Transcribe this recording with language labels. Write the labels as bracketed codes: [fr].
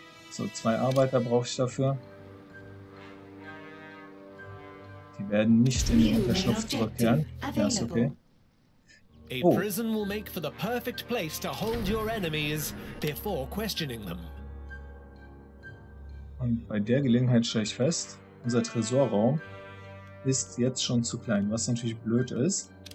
[de] So, 2 Arbeiter brauche ich dafür. Die werden nicht in den Unterschlupf zurückkehren. Ja, ist okay. [en] A prison will make for the perfect place to hold your enemies before questioning them. [de] Und bei der Gelegenheit stelle ich fest, unser Tresorraum ist jetzt schon zu klein, was natürlich blöd ist.